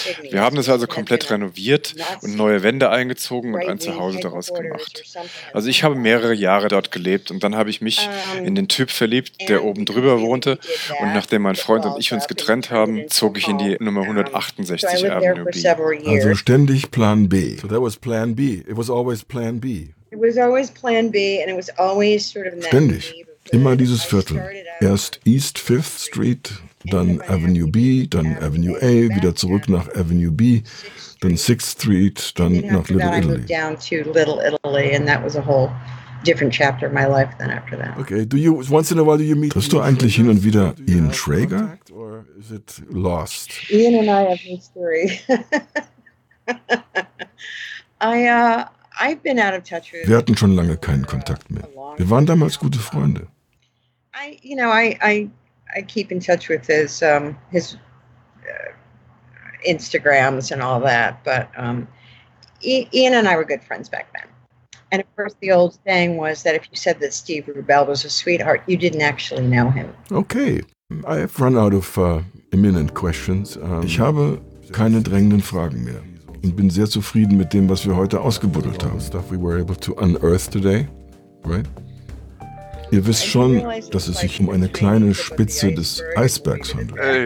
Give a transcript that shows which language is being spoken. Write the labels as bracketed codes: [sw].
[de] Wir haben das also komplett renoviert und neue Wände eingezogen und ein Zuhause daraus gemacht. Also ich habe mehrere Jahre dort gelebt und dann habe ich mich in den Typ verliebt, der oben drüber wohnte und nachdem mein Freund und ich uns getrennt haben, zog ich in die Nummer 168 Avenue B. Also ständig Plan B. [en] So that was Plan B. It was always Plan B. It was always Plan B and it was always sort of [de] ständig. Immer dieses Viertel. Erst East 5th Street, dann Avenue B, dann Avenue A, wieder zurück nach Avenue B, dann 6th Street, dann nach Little Italy. [en] Down to Little Italy and that was a whole different chapter of my life than after that. Okay, do you once in a while do you meet? [de] Triffst du eigentlich hin und wieder Ian Schrager? [en] Or is it lost? Ian and I have history. I've been out of touch with. [de] Wir hatten schon lange keinen Kontakt mehr. Wir waren damals gute Freunde. [en] I keep in touch with his Instagrams and all that, but Ian and I were good friends back then. And of course, the old saying was that if you said that Steve Rubell was a sweetheart, you didn't actually know him. Okay, I have run out of imminent questions. [de] Ich habe keine drängenden Fragen mehr und bin sehr zufrieden mit dem, was wir heute ausgebuddelt haben. [en] Stuff we were able to unearth today, right? [de] Ihr wisst schon, dass es sich um eine kleine Spitze des Eisbergs handelt.